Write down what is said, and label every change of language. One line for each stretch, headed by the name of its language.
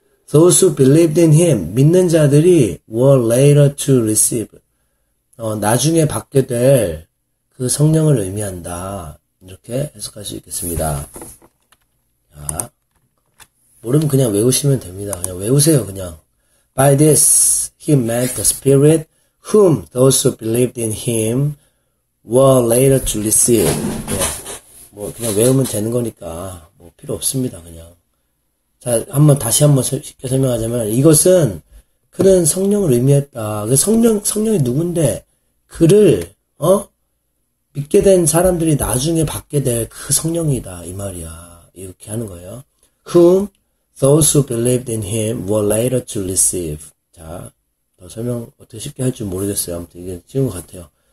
English: those who believed in him,
Korean: 믿는 자들이
English: were later to receive.
Korean: 나중에 받게 될 그 성령을 의미한다. 이렇게 해석할 수 있겠습니다. 자, 모르면 그냥 외우시면 됩니다. 그냥 외우세요, 그냥.
English: By this, he meant the spirit whom those who believed in him were later to receive.
Korean: 네. 뭐, 그냥 외우면 되는 거니까, 뭐, 필요 없습니다, 그냥. 자, 다시 한번 쉽게 설명하자면, 이것은, 그는 성령을 의미했다. 성령이 누군데, 그를, 믿게 된 사람들이 나중에 받게 될 그 성령이다. 이 말이야. 이렇게 하는 거예요.
English: whom those who believed in him were later to receive.
Korean: 자, 더 설명 어떻게 쉽게 할지 모르겠어요. 아무튼 이게 쉬운 것 같아요.